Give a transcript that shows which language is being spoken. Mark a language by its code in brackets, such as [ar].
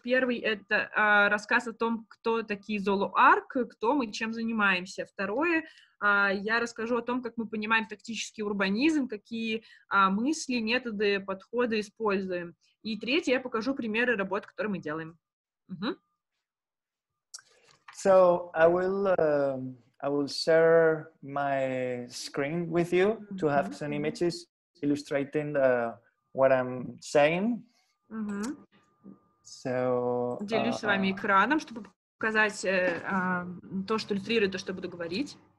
[ru] Первый — это рассказ о том, кто такие Zuloark, кто мы, чем занимаемся. Второе — я расскажу о том, как мы понимаем тактический урбанизм, какие мысли, методы, подходы используем. И третье — я покажу примеры работ, которые мы делаем. [en] So I will share my screen with you to have some images illustrating what I'm saying. So, [ru] делюсь с вами экраном, чтобы показать то, что иллюстрирует то, что буду говорить.